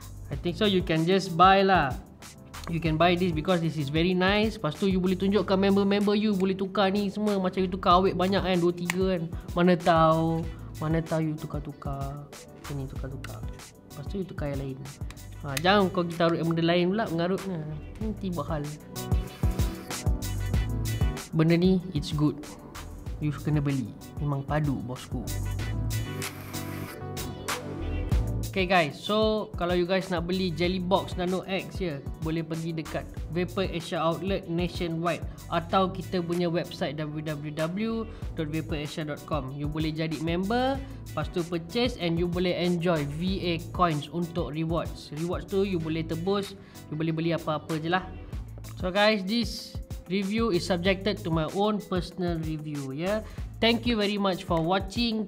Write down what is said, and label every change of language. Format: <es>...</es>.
<en>I think so you can just buy lah. You can buy this because this is very nice.</en> <ms>Lepas tu you boleh tunjuk ke member-member you, boleh tukar ni semua. Macam you tukar awet banyak kan, 2-3 kan. Mana tahu, mana tahu you tukar-tukar. Macam ni tukar-tukar. Lepas tu you tukar yang lain. Ha, jangan kau pergi taruh yang benda lain pula, mengarut. Nanti buat hal. Benda ni,</ms> <en>it's good.</en> <ms>You kena beli. Memang padu bosku. Okay guys, so kalau you guys nak beli Jelly Box Nano X je, yeah, boleh pergi dekat Vapor Asia Outlet Nationwide atau kita punya website www.vaporasia.com. You boleh jadi member, lepas tu purchase and you boleh enjoy VA Coins untuk rewards. Rewards tu you boleh tebus, you boleh beli apa-apa je lah.</ms> <en>So guys, this review is subjected to my own personal review, yeah. Thank you very much for watching.</en>